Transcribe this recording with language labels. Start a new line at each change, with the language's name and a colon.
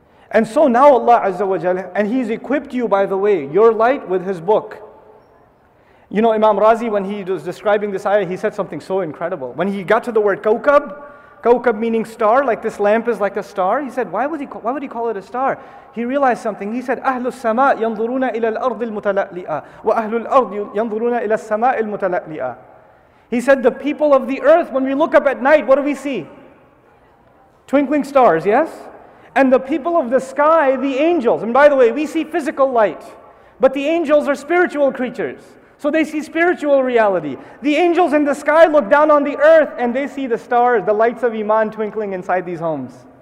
English: And so now Allah Azza wa Jalla, and He's equipped you, by the way, your light with His book. You know, Imam Razi, when he was describing this ayah, he said something so incredible. When he got to the word kawkab, Kawkab meaning star, like this lamp is like a star. He said, why would he call it a star? He realized something. He said,
Arabic: أهل السماء ينظرون إلى الأرض المتلألئة وأهل الأرض ينظرون إلى السماء المتلألئة.
English: He said, the people of the earth, when we look up at night, what do we see? Twinkling stars, yes? And the people of the sky, the angels. And by the way, we see physical light, but the angels are spiritual creatures. So they see spiritual reality. The angels in the sky look down on the earth and they see the stars, the lights of Iman twinkling inside these homes.